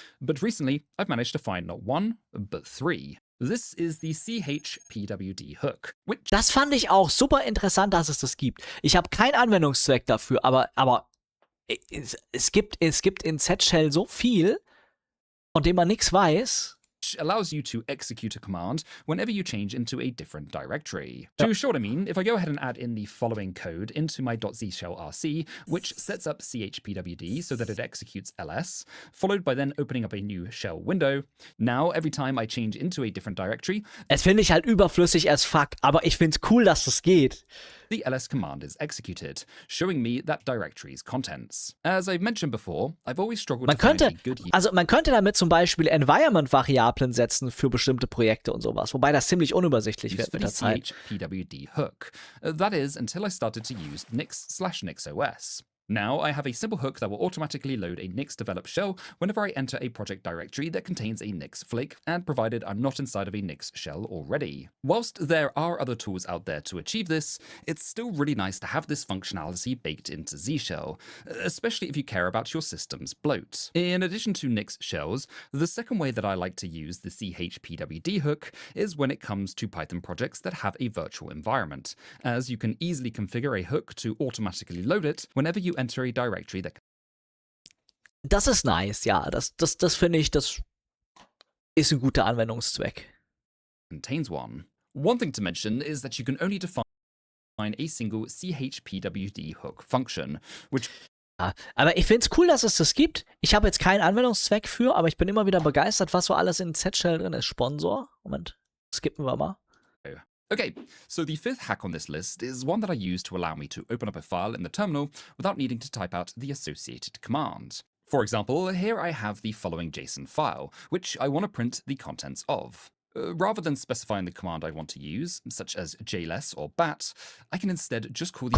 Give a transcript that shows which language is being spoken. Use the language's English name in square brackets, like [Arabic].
[English] But recently, I've managed to find not one, but three. This is the CHPWD hook. Which [German] das fand ich auch super interessant, dass es das gibt. Ich habe keinen Anwendungszweck dafür, aber es gibt in Z-Shell so viel, von dem man nichts weiß. [English] Allows you to execute a command whenever you change into a different directory. Yep. To short, I mean, if I go ahead and add in the following code into my .zshellrc, which sets up chpwd so that it executes ls, followed by then opening up a new shell window. Now, every time I change into a different directory, [German] es finde ich halt überflüssig [English] as fuck, [German] aber ich find's cool, dass das geht. [English] The ls command is executed, showing me that directory's contents. As I've mentioned before, I've always struggled [German] man [English] to [German] könnte, [English] find a good... [German] Also, man könnte damit zum Beispiel Environment-Variablen setzen für bestimmte Projekte und sowas, wobei das ziemlich unübersichtlich wird mit der Zeit. [English] CHPWD hook. That is, until I started to use nix/nixOS. Now I have a simple hook that will automatically load a Nix develop shell whenever I enter a project directory that contains a Nix flick, and provided I'm not inside of a Nix shell already. Whilst there are other tools out there to achieve this, it's still really nice to have this functionality baked into Z shell, especially if you care about your system's bloat. In addition to Nix shells, the second way that I like to use the CHPWD hook is when it comes to Python projects that have a virtual environment, as you can easily configure a hook to automatically load it whenever you enter a directory that [German] das ist nice, ja, das finde ich, das ist ein guter Anwendungszweck. [English] Contains one. One thing to mention is that you can only define a single CHPWD hook function, which [German] ja, aber ich finde es cool, dass es das gibt. Ich habe jetzt keinen Anwendungszweck für, aber ich bin immer wieder begeistert, was so alles in Z-Shell drin ist. Sponsor. Moment, skippen wir mal. [English] Okay, so the fifth hack on this list is one that I use to allow me to open up a file in the terminal without needing to type out the associated command. For example, here I have the following JSON file, which I want to print the contents of. Rather than specifying the command I want to use, such as JLS or bat, I can instead just call the